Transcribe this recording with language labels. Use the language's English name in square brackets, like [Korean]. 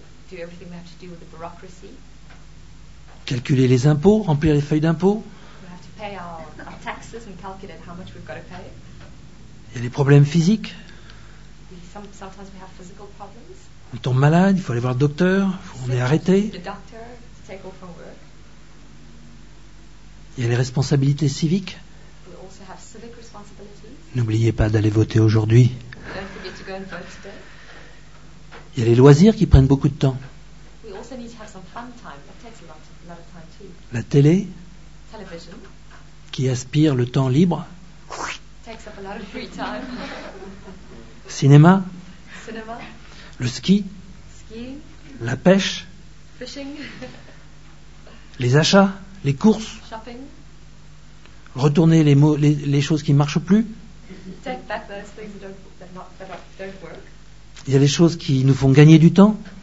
[English] Do everything we have to do with the bureaucracy. [French] Calculer les impôts, remplir les feuilles d'impôts. [English] We have to pay our taxes and calculate how much we've got to pay. [French] Il y a les problèmes physiques. [English] Sometimes we have physical problems. [French] On tombe malade, il faut aller voir le docteur, on est arrêté. [English] The doctor, to take off from work. [French] Il y a les responsabilités civiques. [English] We also have civic responsibilities. [French] N'oubliez pas d'aller voter aujourd'hui. [English] Don't forget to go and vote today. [French] Il y a les loisirs qui prennent beaucoup de temps. [English] We also need to have some fun time. That takes a lot of time too. [French] La télé. [English] Television. [French] Qui aspire le temps libre. [English] Takes up a lot of free time. [French] Cinéma. [English] Cinema. [French] Le ski. [English] Skiing. [French] La pêche. [English] Fishing. [French] Les achats, les courses. [English] Shopping. [French] Retourner les choses qui ne marchent plus. [English] Take back those things that don't work. [French] Il y a des choses qui nous font gagner du temps,